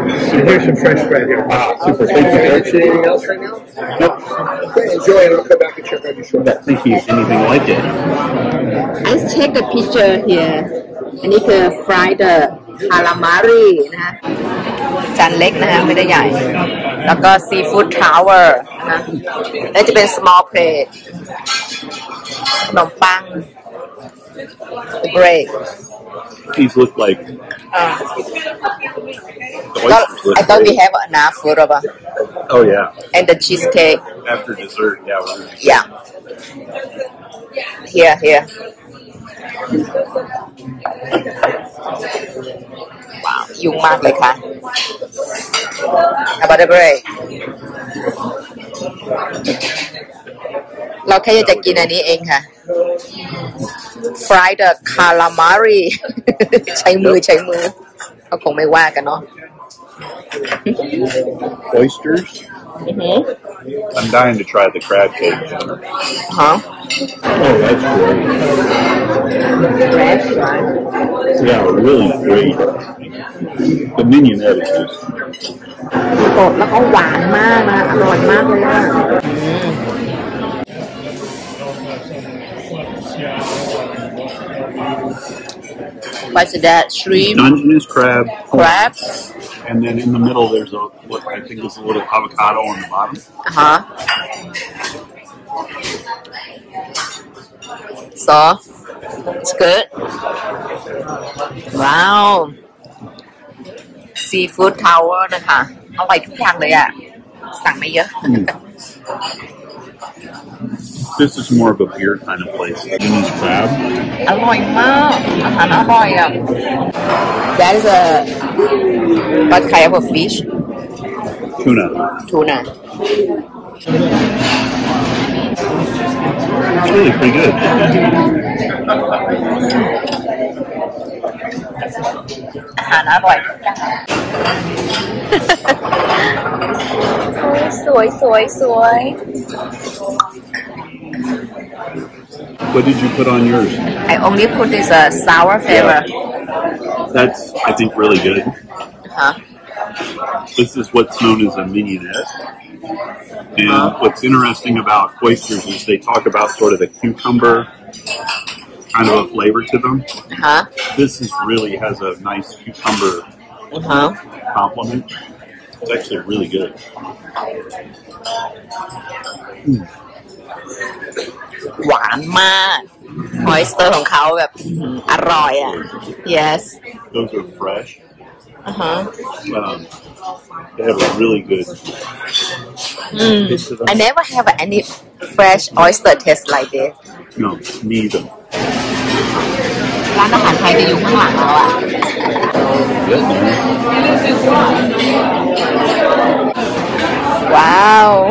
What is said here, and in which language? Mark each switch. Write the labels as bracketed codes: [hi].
[en] So here's some fresh bread here. Ah, super. Thank you. Anything else right now? Nope. Okay, enjoy and I'll come back and check out your shirt. Thank you. Anything like it? I just take a picture here. And it's a fried calamari. [th] จานเล็กนะฮะไม่ได้ใหญ่แล้วก็ซีฟู้ดทาวเวอร์นะฮะและจะเป็น [en] small plate. [th] ขนมปัง [en] The break. These look like. I thought we have enough food, Rabah. Oh yeah. And the cheesecake. After dessert, yeah. Yeah. Here, here. Wow, you mad, like that? How about the bread? [th] เราแค่อยากจะกินอันนี้เองค่ะ Fried calamari ใช้มือใช้มือเขาคงไม่ว่ากันเนาะ [en] Oysters I'm dying to try the crab cake huh oh that's great crab yeah really great The Mignonette is good. [th] สดแล้วก็หวานมากนะอร่อยมากเลยนะ [en] What's that? Shrimp? Dungeness crab. Crab? And then in the middle there's a, what I think is a little avocado on the bottom. Uh-huh. So, it's good. Wow. [th] Seafood tower นะคะเอาไปทุกอย่างเลยอ่ะสั่งไม่เยอะ [en] This is more of a beer kind of place. [th] อร่อยมากอาหารอร่อยอ่ะ [en] That is a what kind of a fish? Tuna. Tuna. It's really pretty good. [th] อาหารอร่อยสวย [en] What did you put on yours? I only put this sour flavor. Yeah. That's, I think, really good. Huh? This is what's known as a mignonette. And what's interesting about oysters is they talk about sort of a cucumber kind of a flavor to them. Huh? This is really has a nice cucumber compliment. It's actually really good. [th] หวานมากออยสเตอร์ของเขาแบบอร่อยอ่ะ yes [en] those are fresh uh-huh they have a really good I never have any fresh oyster taste like this no neither [th] ร้านอาหารไทยจะอยู่ข้างหลังแล้วอ่ะ wow